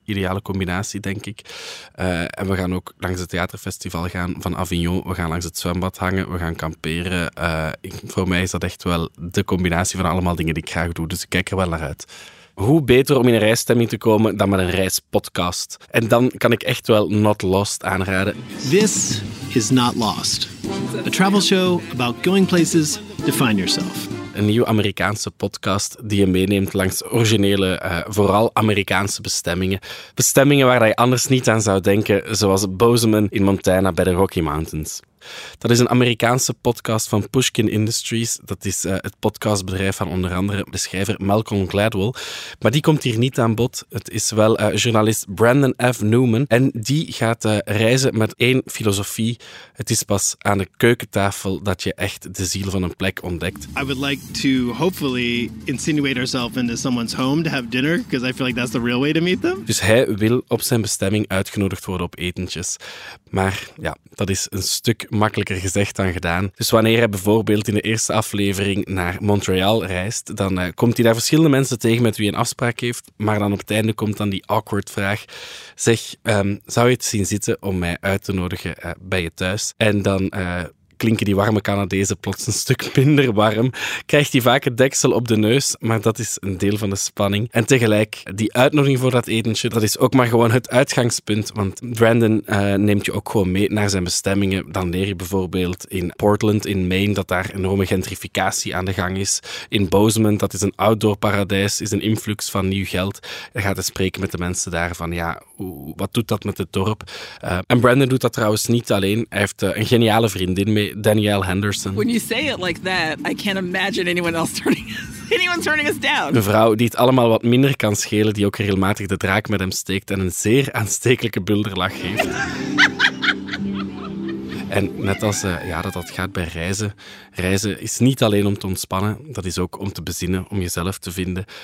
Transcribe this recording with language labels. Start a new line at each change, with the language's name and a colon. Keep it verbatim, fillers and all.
Dutch: Ideale combinatie, denk ik. Uh, en we gaan ook langs het theaterfestival gaan van Avignon. We gaan langs het zwembad hangen. We gaan kamperen. Uh, ik, voor mij is dat echt wel de combinatie van allemaal dingen die ik graag doe. Dus ik kijk er wel naar uit. Hoe beter om in een reisstemming te komen dan met een reispodcast. En dan kan ik echt wel Not Lost aanraden.
English: This is Not Lost. A travel show about going places to find yourself.
Dutch: Een nieuwe Amerikaanse podcast die je meeneemt langs originele, uh, vooral Amerikaanse bestemmingen. Bestemmingen waar je anders niet aan zou denken, zoals Bozeman in Montana bij de Rocky Mountains. Dat is een Amerikaanse podcast van Pushkin Industries. Dat is uh, het podcastbedrijf van onder andere de schrijver Malcolm Gladwell. Maar die komt hier niet aan bod. Het is wel uh, journalist Brandon F. Newman. En die gaat uh, reizen met één filosofie. Het is pas aan de keukentafel dat je echt de ziel van een plek ontdekt.
English: I would like to hopefully insinuate ourselves into someone's home to have dinner, because I feel like that's the real way to meet them.
Dutch: Dus hij wil op zijn bestemming uitgenodigd worden op etentjes. Maar ja, dat is een stuk makkelijker gezegd dan gedaan. Dus wanneer hij bijvoorbeeld in de eerste aflevering naar Montreal reist, dan uh, komt hij daar verschillende mensen tegen met wie hij een afspraak heeft, maar dan op het einde komt dan die awkward vraag. Zeg, um, zou je het zien zitten om mij uit te nodigen uh, bij je thuis? En dan... Uh, klinken die warme Canadezen plots een stuk minder warm, krijgt hij vaak het deksel op de neus, maar dat is een deel van de spanning. En tegelijk, die uitnodiging voor dat etentje, dat is ook maar gewoon het uitgangspunt, want Brandon uh, neemt je ook gewoon mee naar zijn bestemmingen. Dan leer je bijvoorbeeld in Portland, in Maine, dat daar enorme gentrificatie aan de gang is. In Bozeman, dat is een outdoor paradijs, is een influx van nieuw geld. Dan gaat hij spreken met de mensen daar van, ja, wat doet dat met het dorp? Uh, en Brandon doet dat trouwens niet alleen. Hij heeft uh, een geniale vriendin mee, Danielle Henderson.
English: When you say it like that, I can't imagine anyone else turning us, anyone turning us down.
Dutch: Een vrouw die het allemaal wat minder kan schelen, die ook regelmatig de draak met hem steekt en een zeer aanstekelijke bulderlach heeft. En net als uh, ja, dat dat gaat bij reizen. Reizen is niet alleen om te ontspannen, dat is ook om te bezinnen, om jezelf te vinden.